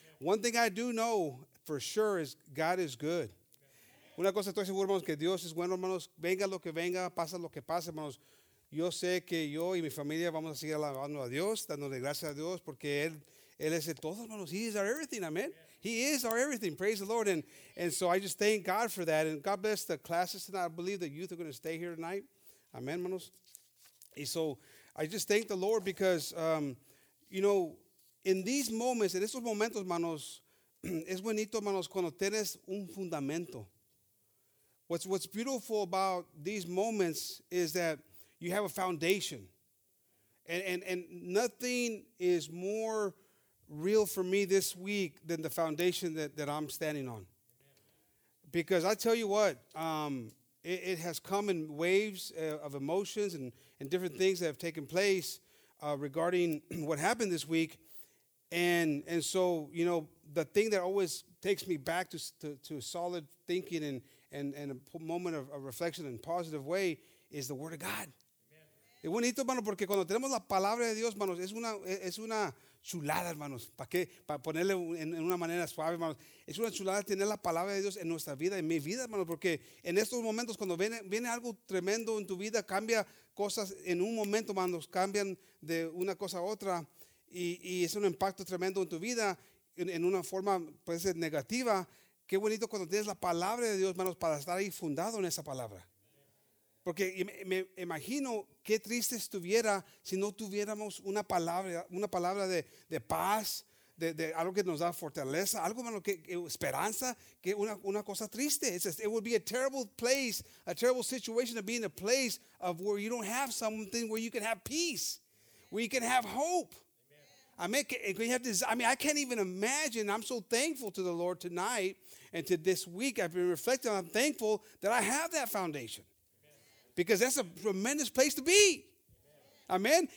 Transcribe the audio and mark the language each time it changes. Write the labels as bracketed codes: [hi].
[en] One thing I do know for sure is God is good. [es] Una cosa estoy seguro, hermanos, que Dios es bueno, hermanos. Venga lo que venga, pasa lo que pase, hermanos. Yo sé que yo y mi familia vamos a seguir alabando a Dios, dándole gracias a Dios, porque Él es el todo, hermanos. [en] He is our everything, amen. He is our everything, praise the Lord. And so I just thank God for that. And God bless the classes tonight. I believe the youth are going to stay here tonight. Amen, hermanos. And so I just thank the Lord because, you know, in these moments, [es] en estos momentos, hermanos, es bonito, hermanos, cuando tienes un fundamento. [en] What's beautiful about these moments is that you have a foundation. And nothing is more real for me this week than the foundation that I'm standing on. Because I tell you what, it has come in waves of emotions and different things that have taken place regarding what happened this week. And so, you know, the thing that always takes me back to solid thinking and a moment of reflection in a positive way is the Word of God. [es] Es bonito, hermano, porque cuando tenemos la palabra de Dios, hermanos, es una chulada, hermanos. ¿Para qué? Para ponerle en una manera suave, hermanos. Es una chulada tener la palabra de Dios en nuestra vida, en mi vida, hermanos, porque en estos momentos, cuando viene algo tremendo en tu vida, cambia cosas en un momento, hermanos, cambian de una cosa a otra y es un impacto tremendo en tu vida en una forma, puede ser negativa. Qué bonito cuando tienes la palabra de Dios, hermanos, para estar ahí fundado en esa palabra. Porque me imagino qué triste estuviera si no tuviéramos una palabra de paz, de algo que nos da fortaleza, algo, hermano, que esperanza, que una cosa triste. [en] It would be a terrible place, a terrible situation to be in a place of where you don't have something where you can have peace, where you can have hope. Amen. We have this, I mean, I can't even imagine. I'm so thankful to the Lord tonight and to this week. I've been reflecting. I'm thankful that I have that foundation. Because that's a tremendous place to be. Amen.